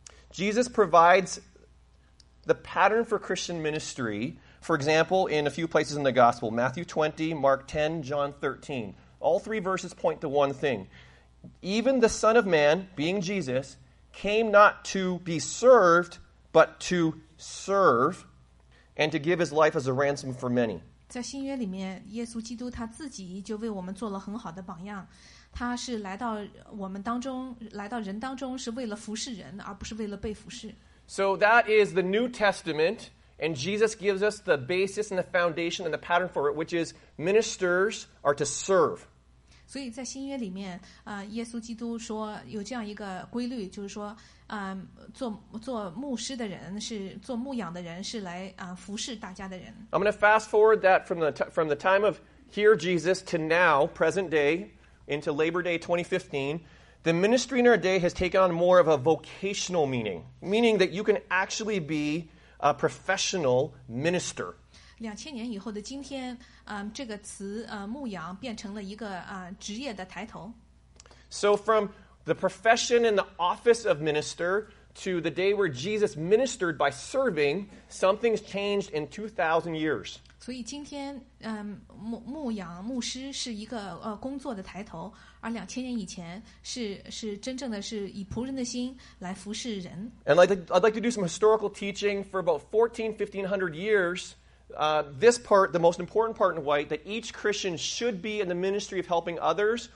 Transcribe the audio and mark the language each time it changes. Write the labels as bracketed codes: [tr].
[en] Jesus provides the pattern for Christian ministry, for example, in a few places in the gospel, Matthew 20, Mark 10, John 13. All three verses point to one thing. Even the Son of Man, being Jesus, came not to be served, but to serve, and to give His life as a ransom for many. [zh] 在新约里面，耶稣基督他自己就为我们做了很好的榜样。他是来到我们当中，来到人当中，是为了服侍人，而不是为了被服侍。 [en] So that is the New Testament, and Jesus gives us the basis and the foundation and the pattern for it, which is ministers are to serve. [zh] 所以在新约里面，耶稣基督说有这样一个规律，就是说，做牧师的人是做牧养的人是来服侍大家的人。 [en] I'm going to fast forward that from the time of here Jesus to now, present day, into Labor Day 2015. The ministry in our day has taken on more of a vocational meaning, meaning that you can actually be a professional minister. [zh] 2000年以后的今天，这个词，牧羊变成了一个，职业的抬头。 [en] So from the profession and the office of minister to the day where Jesus ministered by serving, something's changed in 2,000 years. [zh] 所以今天，牧养牧师是一个工作的抬头，而两千年以前是真正的是以仆人的心来服侍人。 [en] And I'd like to do some historical teaching for about 1400-1500 years. This part, the most important part in white, that each Christian should be in the ministry of helping others.